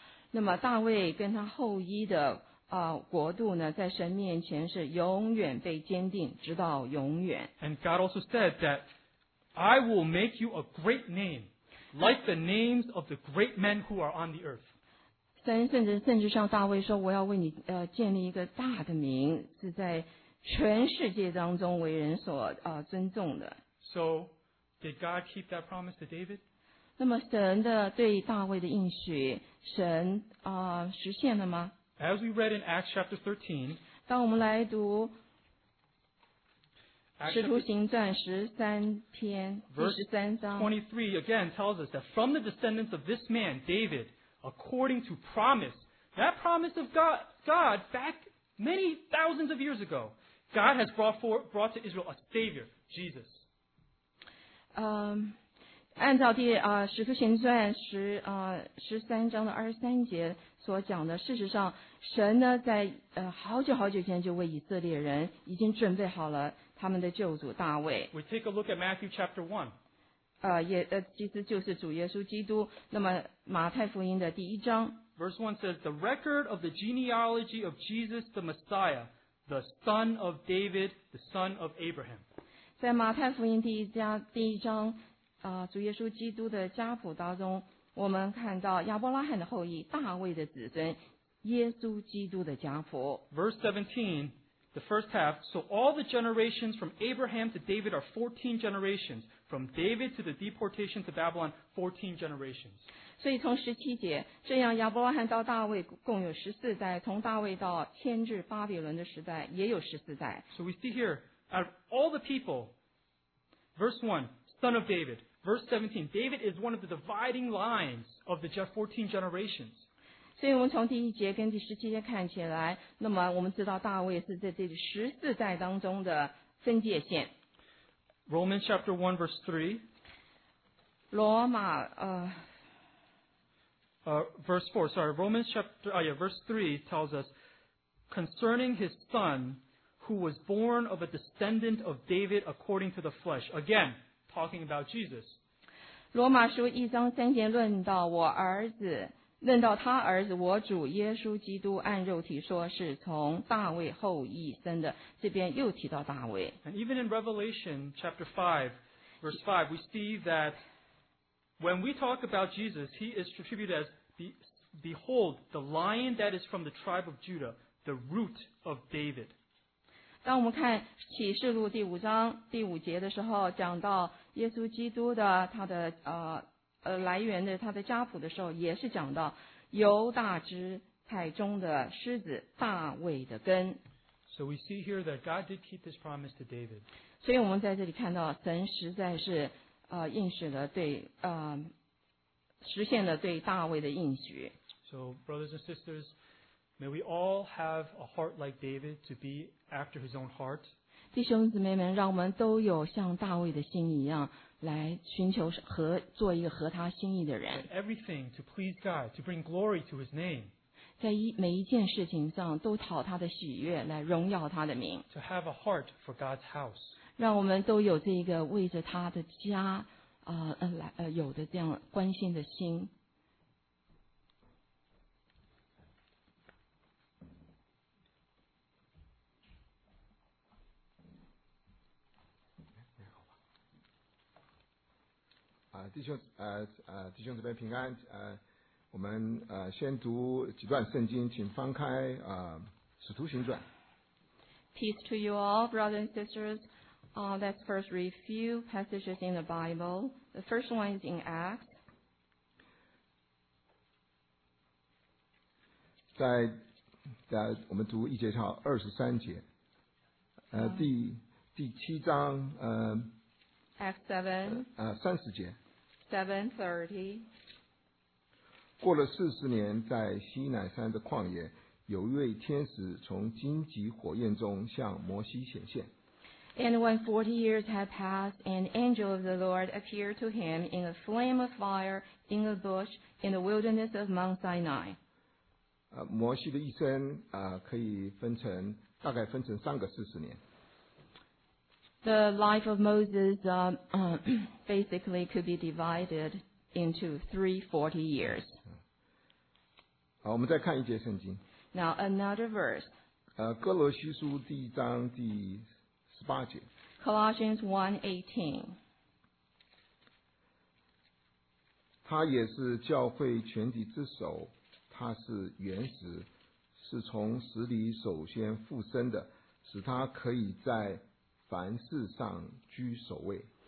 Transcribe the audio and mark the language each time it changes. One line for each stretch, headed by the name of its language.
Chinese: 那么大卫跟他后裔的国度呢，在神面前是永远被坚定，直到永远。
English: And God also said that I will make you a great name. Like the names of the great men who are on the earth.
Chinese: 甚至像大卫说，我要为你建立一个大的名，是在全世界当中为人所尊重的。
English: So, did God keep that promise to David?
Chinese: 那么神的对大卫的应许，神实现了吗？
English: As we read in Acts chapter 13,
Chinese: 当我们来读使徒行传十三篇第十三章
English: 23 again tells us that from the descendants of this man David, according to promise, that promise of God back many thousands of years ago, God has brought to Israel a Savior, Jesus.
Chinese: 按照第使徒行传十三章的二十三节所讲的，事实上神呢在好久好久前就为以色列人已经准备好了。他们的救主大卫。
English: We take a look at Matthew chapter 1.
Chinese: 其实就是主耶稣基督。那么马太福音的第一章。
English: Verse 1 says, The record of the genealogy of Jesus the Messiah, the son of David, the son of Abraham.
Chinese: 在马太福音第一章主耶稣基督的家谱当中，我们看到亚伯拉罕的后裔，大卫的子孙，耶稣基督的家谱。
English: Verse 17,The first half, so all the generations from Abraham to David are 14 generations, from David to the deportation to Babylon, 14 generations.
Chinese: 所以从十七节，这样亚伯拉罕到大卫共有十四代，从大卫到迁至巴比伦的时代也有十四代。
English: So we see here, out of all the people, verse 1, son of David, verse 17, David is one of the dividing lines of the 14 generations.
Chinese: 所以我们从第一节跟第十七节看起来，那么我们知道大卫是在这十四代当中的分界线。
English: Romans chapter 1 verse 3.
Chinese: 罗马
English: verse 4, sorry, Romans chapter, verse 3 tells us, concerning his son, who was born of a descendant of David according to the flesh. Again, talking about Jesus.
Chinese: 罗马书一章三节论到我儿子论到他儿子我主耶稣基督按肉体说是从大卫后裔生的，这边又提到大卫。
English: And even in Revelation chapter 5, verse 5, we see that when we talk about Jesus, he is attributed as, Behold, the lion that is from the tribe of Judah, the root of David.
Chinese: 当我们看启示录第五章第五节的时候，讲到耶稣基督的他的来源的他的家谱的时候，也是讲到犹大支派中的狮子大卫的根。
English: So we see here that God did keep this promise to David.
Chinese: 所以我们在这里看到神实在是应许了对实现了对大卫的应许。
English: So brothers and sisters, may we all have a heart like David to be after His own heart.
Chinese: 弟兄姊妹们，让我们都有像大卫的心一样。来寻求和做一个合他心意的人。
English: Everything to please God, to bring glory to His name.
Chinese: 在每一件事情上都讨他的喜悦，来荣耀他的名。
English: To have a heart for God's house.
Chinese: 让我们都有这个为着他的家有的这样关心的心。弟兄姊妹平安，我们先读几段圣经，请翻开使徒行传。
English: Peace to you all, brothers and sisters. Let's first read a few passages in the Bible. The first one is in Acts.
Chinese: 在我们读一节到二十三节，第七章，
English: Acts 7,
Chinese: 三十节。
English: 7:30.
Chinese: 过了四十年，在西乃山的旷野，有一位天使从荆棘火焰中向摩西显现。
English: And when 40 years had passed, an angel of the Lord appeared to him in a flame of fire in a bush in the wilderness of Mount Sinai.
Chinese: 摩西的一生可以大概分成三个四十年。
English: The life of Moses basically could be divided into three 40 years.
Chinese: 好，我们再看一节圣经。
English: Now another verse.
Chinese: 哥罗西书第一章第十八节。
English: Colossians 1:18.
Chinese: 他也是教会全体之首，他是原始，是从死里首先复生的，使他可以在凡事上居首位。